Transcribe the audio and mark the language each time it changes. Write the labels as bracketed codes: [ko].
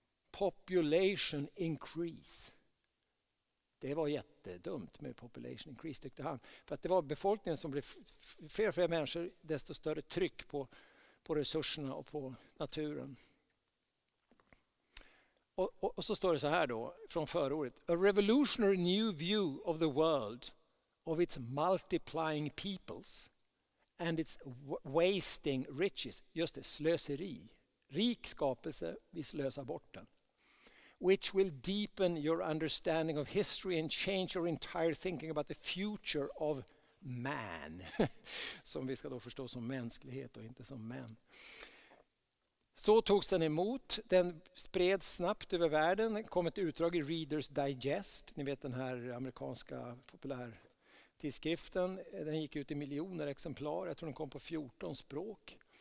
[en] Population increase. [sv] Det var jättedumt med population increase, tyckte han. För att det var befolkningen som blev fler och fler människor, desto större tryck på resurserna och på naturen. Och så står det så här då, från förordet. [en] A revolutionary new view of the world, of its multiplying peoples, and its wasting riches. [sv] Just det, slöseri. Rik skapelse, vi slösar bort den. [en] Which will deepen your understanding of history and change your entire thinking about the future of man. [sv] Som vi ska då förstå som mänsklighet och inte som män. Så togs den emot. Den spreds snabbt över världen. Det kom ett utdrag i Reader's Digest. Ni vet den här amerikanska populärtidskriften. Den gick ut i miljoner exemplar. Jag tror den kom på 14 språk.